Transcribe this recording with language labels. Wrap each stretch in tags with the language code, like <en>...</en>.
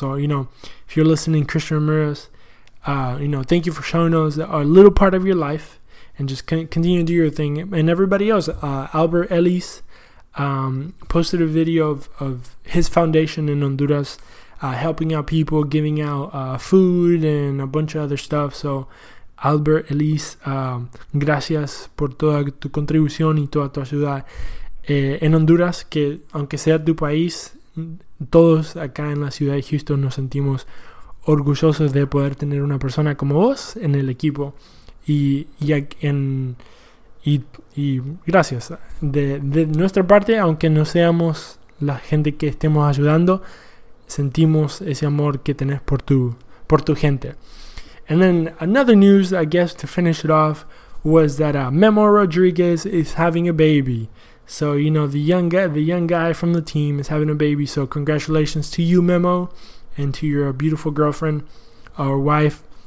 <en>So, you know, if you're listening, Christian Ramirez, you know, thank you for showing us a little part of your life. And just continue to do your thing. And everybody else, Albert Ellis posted a video of his foundation in Honduras, helping out people, giving out food and a bunch of other stuff.</en> <es>So, Albert Ellis, gracias por toda tu contribución y toda tu ayuda en Honduras, que aunque sea tu país, todos acá en la ciudad de Houston nos sentimos orgullosos de poder tener una persona como vos en el equipo. Y gracias de nuestra parte, aunque no seamos la gente que estemos ayudando, sentimos ese amor que tenés por tu gente.</es> <en>And then another news, I guess, to finish it off, was that Memo Rodriguez is having a baby. So, you know, the young guy from the team is having a baby. So congratulations to you, Memo, and to your beautiful girlfriend or wife.</en>